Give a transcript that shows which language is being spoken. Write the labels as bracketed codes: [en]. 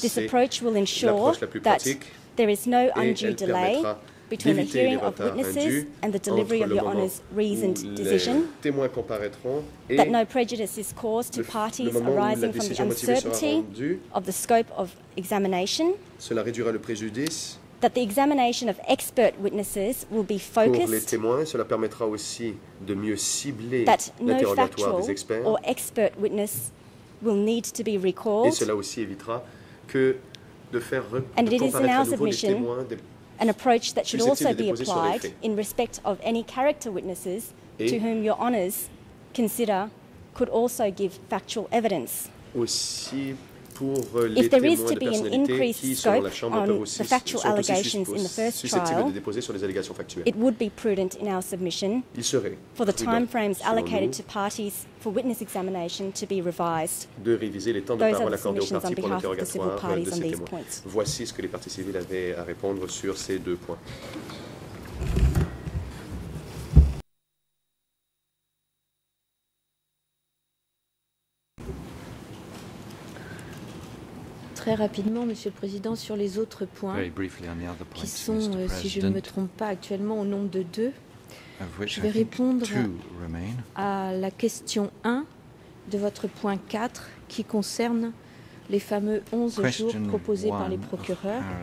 [en] this approach will ensure that there is no undue delay between the hearing of witnesses and the delivery of Your Honour's reasoned decision, that no prejudice is caused to parties arising from the uncertainty of the scope of examination, [fr] cela réduira le préjudice [en] that the examination of expert witnesses will be focused, [fr] pour les témoins, cela permettra aussi de mieux cibler [en] that no factual or expert witness will need to be recalled, [fr] et cela aussi évitera que de faire [en] and it is in our submission an approach that should also be applied in respect of any character witnesses et to whom Your Honours consider could also give factual evidence. [fr] Aussi pour les [en] if there is to be an increased scope on the factual allegations in the first trial, it would be prudent in our submission for the timeframes allocated to parties for witness examination to be revised. Those are the submissions on behalf of the civil parties on these points. [fr] Voici ce que les parties civiles avaient à répondre sur ces deux points. Très rapidement, Monsieur le Président, sur les autres points qui sont, si je ne me trompe pas, actuellement au nombre de deux, je vais répondre à la question 1 de votre point 4 qui concerne les fameux 11 jours proposés par les procureurs.